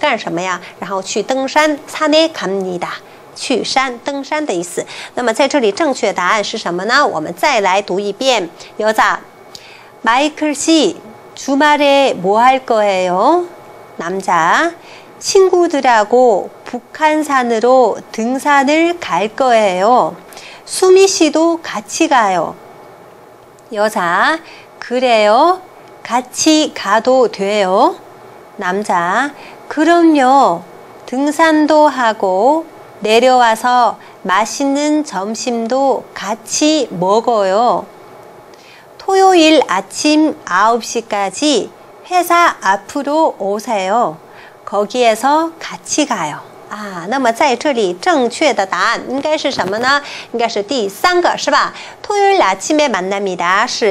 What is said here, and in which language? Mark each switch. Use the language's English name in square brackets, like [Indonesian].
[Chinese] 在这里这个고呢是什么呀？时间上的顺序啊。那么两个人呢吃完午饭，然后去干什么呀？然后去登山， [Korean] 산에 갑니다。 [Chinese] 去山，登山的意思。那么在这里正确答案是什么呢？我们再来读一遍， [Korean] 여자 마이클 씨 주말에 뭐 할 거예요? 남자 친구들하고 북한산으로 등산을 갈 거예요. 수미 씨도 같이 가요. 여자 그래요? 같이 가도 돼요? 남자 그럼요. 등산도 하고 내려와서 맛있는 점심도 같이 먹어요. 토요일 아침 9시까지 회사 앞으로 오세요. 거기에서 같이 가요. [Chinese] 那么在这里正确的答案应该是什么呢？应该是第三个，是吧？ [Korean] 토요일 아침에 만납니다.